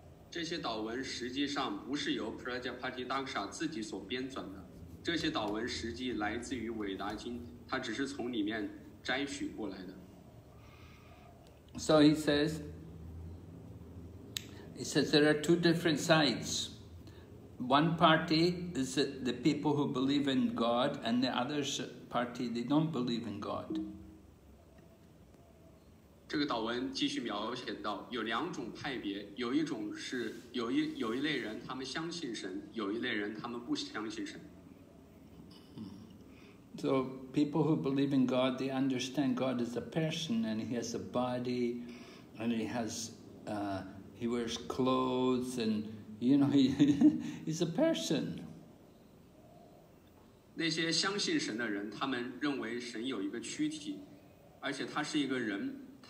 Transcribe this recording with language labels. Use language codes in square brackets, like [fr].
[zh] 这些祷文实际上不是由 Prajapati Daksha 自己所编纂的，这些祷文实际来自于韦达经，他只是从里面摘取过来的。 [en] So he says there are two different sides. One party is the people who believe in God, and the other party they don't believe in God. [zh] 这个祷文继续描写到有两种派别，有一种是有一类人他们相信神，有一类人他们不相信神。 [en] So people who believe in God, they understand God is a person and he has a body and he has, he wears clothes and, you know, he's a person. [zh] 那些相信神的人，他们认为神有一个躯体，而且他是一个人。